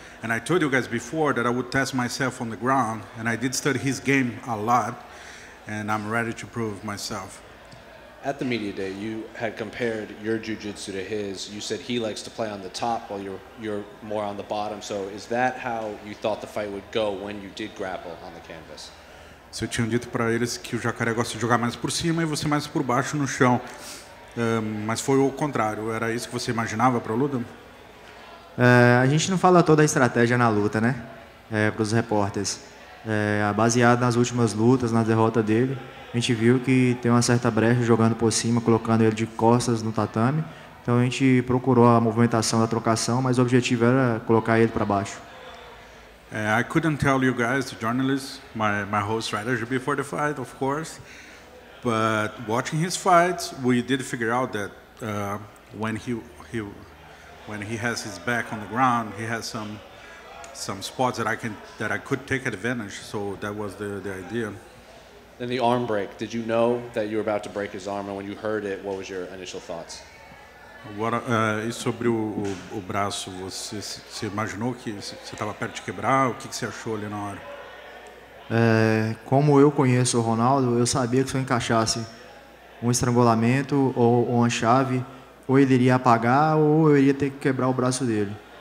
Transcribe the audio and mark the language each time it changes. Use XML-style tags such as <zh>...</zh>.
<en>And I told you guys before that I would test myself on the ground, and I did study his game a lot, and I'm ready to prove myself. At the media day, you had compared your jiu-jitsu to his. You said he likes to play on the top while you're more on the bottom. So is that how you thought the fight would go when you did grapple on the canvas?</en> <pt>Eu tinha dito para eles que o Jacaré gosta de jogar mais por cima e você mais por baixo no chão. Mas foi o contrário. Era isso que você imaginava para a luta? A gente não fala toda a estratégia na luta, né? Para os repórteres. Baseado nas últimas lutas, na derrota dele, a gente viu que tem uma certa brecha jogando por cima, colocando ele de costas no tatame. Então a gente procurou a movimentação da trocação, mas o objetivo era colocar ele para baixo.</pt> <en>I couldn't tell you guys, the journalists, my whole strategy before the fight, of course. But watching his fights, we did figure out that when he has his back on the ground, he has some spots that I could take advantage. So that was the idea. Then the arm break. Did you know that you were about to break his arm? And when you heard it, what was your initial thoughts?</en> <pt>E sobre o braço, você imaginou que você estava perto de quebrar? O que você achou ali na hora? Como eu conheço o Ronaldo, eu sabia que se eu encaixasse um estrangulamento ou uma chave, ou ele iria apagar ou eu iria ter que quebrar o braço dele.</pt>